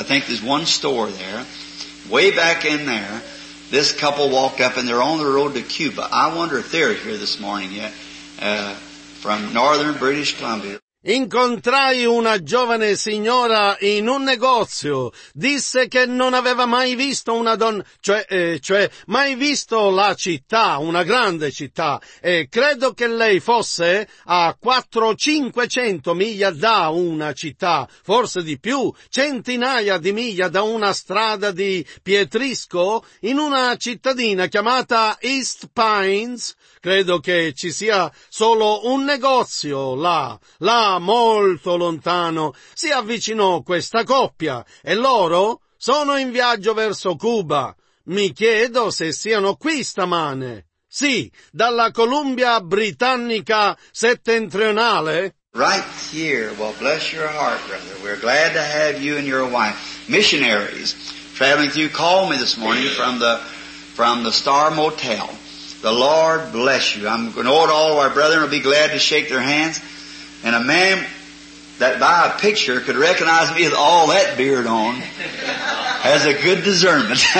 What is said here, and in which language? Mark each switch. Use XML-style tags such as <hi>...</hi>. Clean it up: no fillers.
<en>I think there's one store there, way back in there. This couple walked up and they're on the road to Cuba. I wonder if they're here this morning yet, from northern British Columbia.</en> <it>Incontrai una giovane signora in un negozio. Disse che non aveva mai visto una donna, cioè mai visto la città, una grande città. E credo che lei fosse a 400-500 miglia da una città, forse di più, centinaia di miglia da una strada di pietrisco, in una cittadina chiamata East Pines. Credo che ci sia solo un negozio là, molto lontano. Si avvicinò questa coppia e loro sono in viaggio verso Cuba. Mi chiedo se siano qui stamane. Sì, dalla Columbia Britannica settentrionale.</it> <en>Right here. Well, bless your heart, brother. We're glad to have you and your wife. Missionaries traveling through called me this morning from the Star Motel. The Lord bless you. I'm going to order all of our brethren will be glad to shake their hands. And a man that by a picture could recognize me with all that beard on has a good discernment.</en>